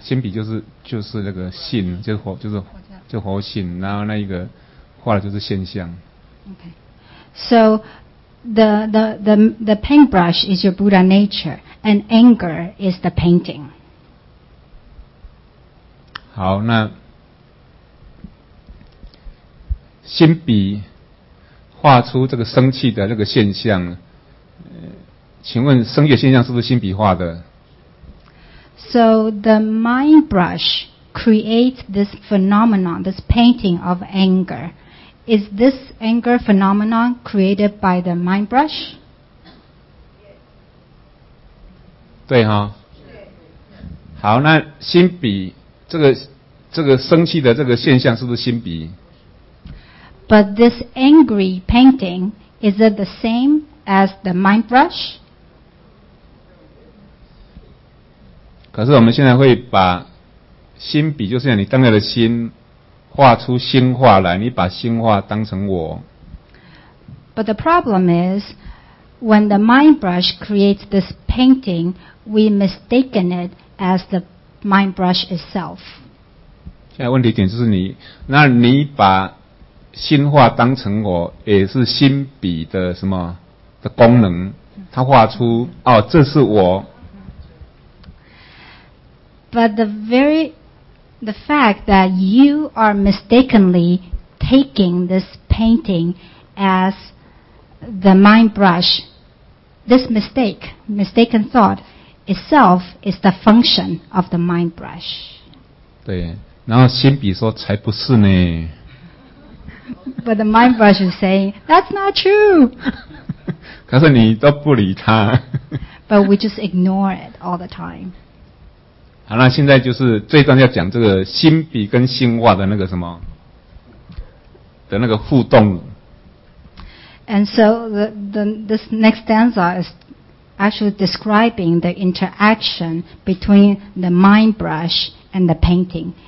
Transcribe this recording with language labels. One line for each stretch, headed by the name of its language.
Chinese: 心比就是那个性，就是佛性，然后那一个画的就是现象。
English: Okay, so the paintbrush is your Buddha nature, and anger is the painting.
Chinese: 好，那心笔画出这个生气的那个现象，请问生气现象是不是心笔画的？
English: So the mind brush creates this phenomenon, this painting of anger. Is this anger phenomenon created by the mind brush?
Chinese: 对哈，好，那心笔这个生气的这个现象是不是心笔？
English: But this angry painting, is it the same as the mind brush?
Chinese: 可是我们现在会把心笔，就是你当下的心，画出心画来，你把心画当成我。
English: But the problem is, when the mind brush creates this painting, we mistaken it as the mind brush itself.
Chinese: 现在问题点就是你，那你把心画当成我，也是心笔的什么的功能？它画出哦，这是我。
English: But the fact that you are mistakenly taking this painting as the mind brush, this mistaken thought itself is the function of the mind brush.
Chinese: 对。然后心笔说才不是呢。
English: But the mind brush is saying, that's not true.
Chinese: 可是你都不理他。
English: But we just ignore it all the time.
Chinese: 好，那现在就是这一段要讲这个心笔跟心画的那个什么的那个互动。
English: And so this next stanza is actually describing the interaction between the mind brush and the painting.